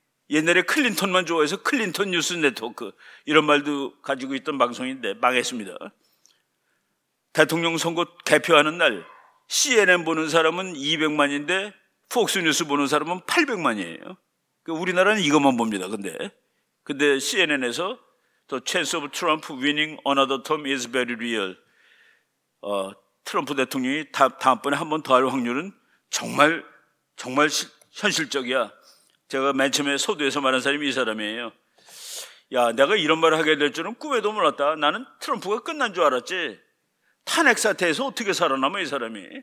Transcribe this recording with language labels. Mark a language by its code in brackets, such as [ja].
[ko] 옛날에 클린턴만 좋아해서 클린턴 뉴스 네트워크. 이런 말도 가지고 있던 방송인데 망했습니다. 대통령 선거 개표하는 날 CNN 보는 사람은 200만인데 폭스 뉴스 보는 사람은 800만이에요. 우리나라는 이것만 봅니다. 근데 CNN에서 [en] The chance of Trump winning another term is very real. [ko] 트럼프 대통령이 다음번에 한 번 더 할 확률은 정말 현실적이야. 제가 맨 처음에 소두에서 말한 사람이 이 사람이에요. 야, 내가 이런 말을 하게 될 줄은 꿈에도 몰랐다. 나는 트럼프가 끝난 줄 알았지. 탄핵 사태에서 어떻게 살아남아, 이 사람이.